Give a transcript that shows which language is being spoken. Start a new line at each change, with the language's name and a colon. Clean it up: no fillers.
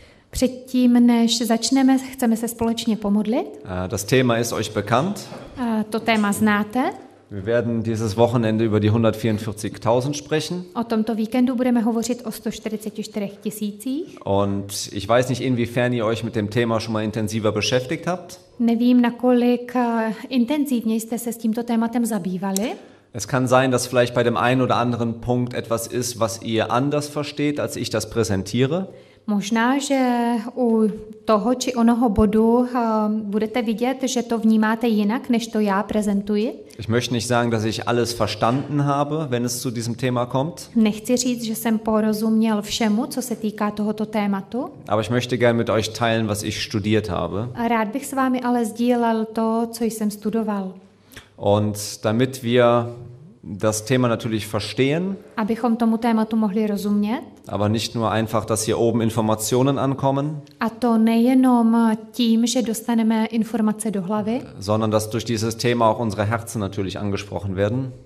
Czech: Předtím, než začneme, chceme se společně pomodlit.
German: Das Thema ist euch bekannt.
Czech: To téma znáte.
German: Wir werden dieses Wochenende über die 144.000 sprechen.
Czech: O tomto víkendu budeme hovořit o 144.000.
German: Und ich weiß nicht, inwiefern ihr euch mit dem Thema schon mal intensiver beschäftigt habt.
Czech: Nevím, nakolik intenzivně jste se s tímto tématem zabývali.
German: Es kann sein, dass vielleicht bei dem einen oder anderen Punkt etwas ist, was ihr anders versteht, als ich das präsentiere.
Czech: Možná, že u toho či onoho bodu budete vidět, že to vnímáte jinak, než to já prezentuji.
German: Ich möchte nicht sagen, dass ich alles verstanden habe, wenn es zu diesem Thema kommt.
Czech: Nechci říct, že jsem porozuměl všemu, co se týká tohoto tématu.
German: Aber ich möchte gerne mit euch teilen, was ich studiert habe.
Czech: Rád bych s vámi ale sdílel to, co jsem studoval.
German: Und damit wir das Thema natürlich verstehen.
Czech: Abychom tomu tématu mohli rozumět.
German: Aber nicht nur einfach, dass hier oben Informationen ankommen.
Czech: A to nejenom tím, že dostaneme informace do hlavy.
German: Sondern dass durch dieses Thema auch unsere Herzen natürlich angesprochen werden.